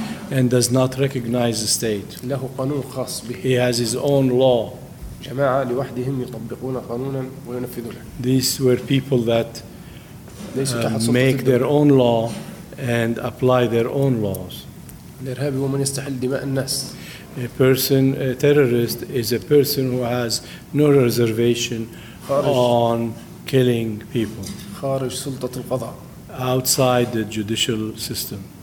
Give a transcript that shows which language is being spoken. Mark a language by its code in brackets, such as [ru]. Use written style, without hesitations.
[en] and does not recognize the state. [ar] له قانون خاص به. [en] He has his own law. [ar] جماعة لوحدهم يطبقون قانونا وينفذونه. [en] These were people that make their own law and apply their own laws. [ar] الإرهابي هو من يستحل دماء الناس. [en] A person, a terrorist, is a person who has no reservation on killing people. [ar] خارج سلطة القضاء. [en] Outside the judicial system.